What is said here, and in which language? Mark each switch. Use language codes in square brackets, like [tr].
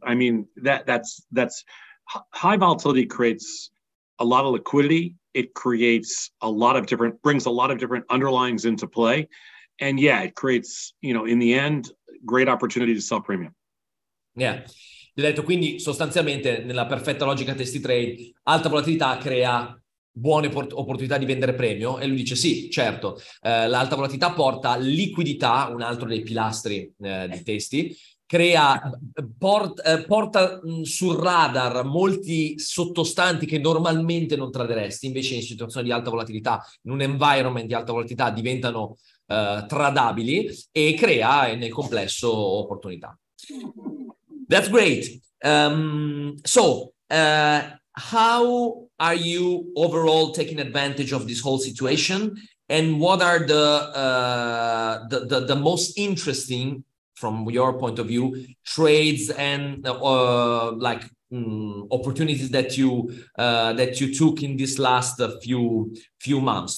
[en] I mean, that's high volatility creates a lot of liquidity. It creates a lot of different, brings a lot of different underlyings into play. And yeah, it creates, you know, in the end, great opportunity to sell premium. Yeah. [it] Ho detto, quindi sostanzialmente nella perfetta logica testi trade, alta volatilità crea buone opportunità di vendere premio. E lui dice sì, certo, l'alta volatilità porta liquidità, un altro dei pilastri di testi, crea porta sul radar molti sottostanti che normalmente non traderesti, invece in situazioni di alta volatilità, in un environment di alta volatilità, diventano tradabili e crea nel complesso opportunità. [en] That's great. How are you overall taking advantage of this whole situation, and what are the most interesting, from your point of view, trades and opportunities that you took in this last few months?